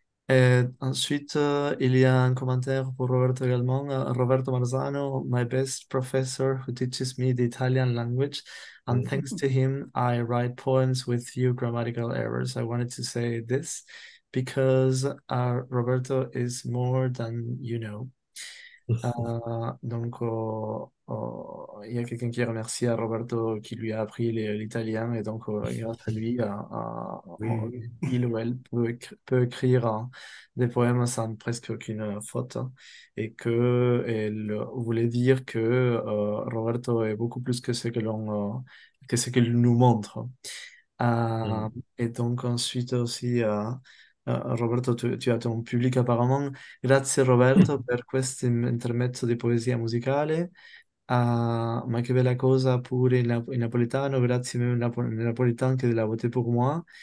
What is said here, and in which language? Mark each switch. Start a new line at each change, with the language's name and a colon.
French: Et ensuite, il y a un commentaire pour Roberto également.
English: Roberto Marzano, my best professor who teaches me the Italian language. And thanks to him, I write poems with few grammatical errors. I wanted to say this because Roberto is more than you know.
French: Il y a quelqu'un qui remercie à Roberto qui lui a appris l'italien et donc grâce à lui, Oui. il ou elle peut écrire des poèmes sans presque aucune faute et que elle voulait dire que Roberto est beaucoup plus que ce que l'on que ce qu'il nous montre. Et donc ensuite aussi Roberto, tu as ton public apparemment.
Italian: Grazie Roberto per questo intermezzo di poesia musicale. Ma che bella cosa pure in napoletano, grazie mille napoletano che l'ha votato per me.